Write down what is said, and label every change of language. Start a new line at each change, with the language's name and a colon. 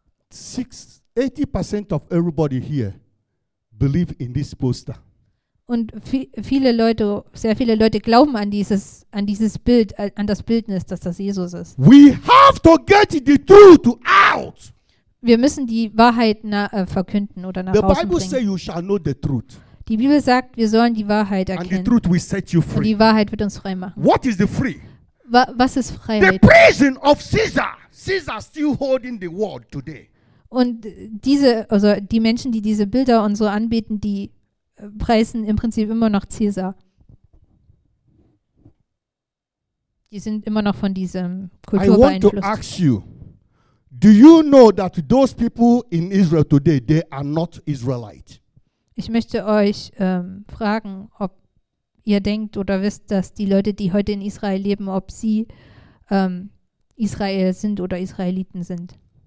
English: Six, 80% of everybody here believe in this poster.
German: Und sehr viele Leute glauben an dieses Bild, an das Bildnis, dass das Jesus ist.
English: We have to get the truth out.
German: Wir müssen die Wahrheit verkünden oder nach
English: the
German: außen
English: Bible
German: bringen.
English: Say you shall know the truth.
German: Die Bibel sagt, wir sollen die Wahrheit erkennen.
English: And the truth will set you free.
German: Und die Wahrheit wird uns frei machen.
English: What is the free?
German: Was ist Freiheit?
English: The prison of Caesar. Caesar still holding the world today.
German: Und die Menschen, die diese Bilder und so anbieten, die preisen im Prinzip immer noch Caesar. Die sind immer noch von diesem Kultur beeinflusst.
English: I want to ask you, do you know that those people in Israel today, they are not Israelite?
German: Ich möchte euch fragen, ob ihr denkt oder wisst, dass die Leute, die heute in Israel leben, ob sie Israel sind oder Israeliten sind.